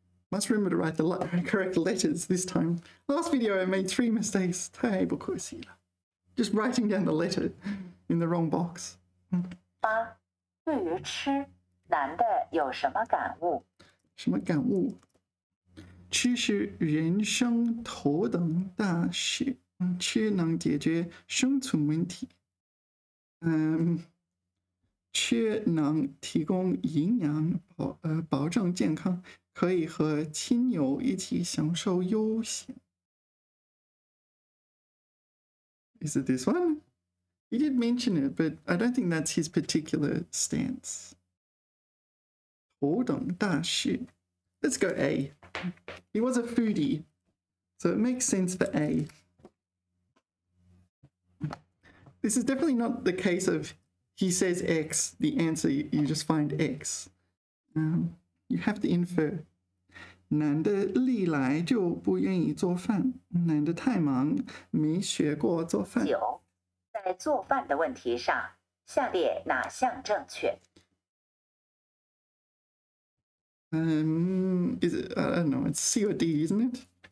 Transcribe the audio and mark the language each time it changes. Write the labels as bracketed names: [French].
[English] Must remember to write the correct letters this time. Last video I made 3 mistakes. [Chinese] 太不可惜了。 [English] Just writing down the letter in the wrong box. [Chinese] 八，对于吃，男的有什么感悟？什么感悟？吃是人生头等大事，吃能解决生存问题。吃能提供营养，保证健康，可以和亲友一起享受悠闲。 [English] Is it this one? He did mention it, but I don't think that's his particular stance. 头等大事。Let's go A. He was a foodie, so it makes sense for A. This is definitely not the case of he says X, the answer you just find X. You have to infer. [Chinese] 男的历来就不愿意做饭，男的太忙，没学过做饭。九，在做饭的问题上，下列哪项正确？ [English] Is it, I don't know, it's C or D, isn't it?